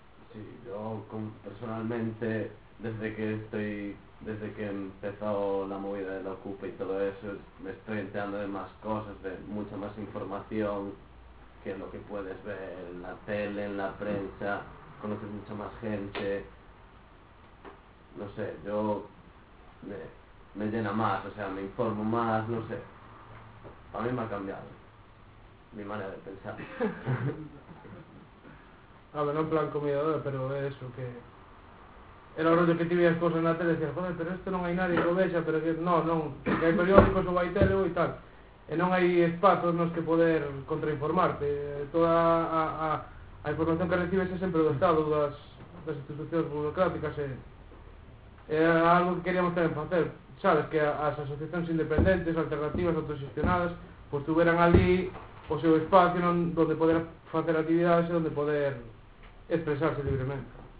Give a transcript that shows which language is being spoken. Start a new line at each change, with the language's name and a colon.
Galician: Si, sí, eu personalmente, desde que empezou a movida da Ocupa e todo eso, me estou enterando de máis cousas, de moita máis información que lo que podes ver na tele, na prensa, conoces moita máis gente, non sé,
Spanish: yo me llena más, o sea, me informo más, no sé. A mí me ha cambiado mi manera de pensar. A ver, no en plan comidador, pero eso, que era o rollo que te veías cosas en la tele y decías, joder, pero esto no hay nadie que lo vea, pero que no, que hay periódicos o hay tele y tal. Y no hay espacios en los que poder contrainformarte. Toda a información que recibes es siempre del Estado, las instituciones burocráticas.
Galician: Era algo que queríamos tamén facer, sabes, que as asociacións independentes, alternativas, autogestionadas, pois tuveran ali o seu espacio onde poder facer actividades e onde poder expresarse libremente.